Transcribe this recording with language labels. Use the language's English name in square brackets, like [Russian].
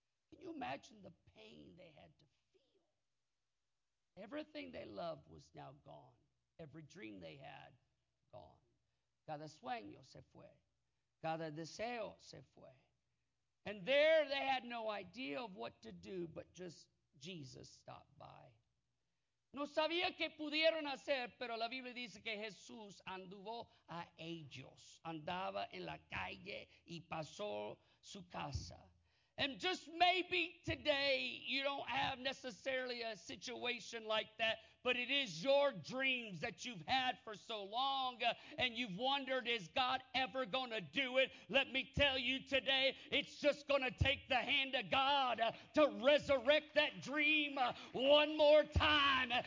[English] Can you imagine the pain they had to feel? Everything they loved was now gone. Every dream they had, gone. [Spanish] Cada sueño se fue. [English] Cada deseo se fue. And there they had no idea of what to do, but just Jesus stopped by. [Spanish] No sabía qué pudieron hacer, pero la Biblia dice que Jesús anduvo a ellos. Andaba en la calle y pasó su casa. [English] And just maybe today you don't have necessarily a situation like that, but it is your dreams that you've had for so long, and you've wondered, is God ever going to do it? Let me tell you today, it's just going to take the hand of God to resurrect that dream one more time.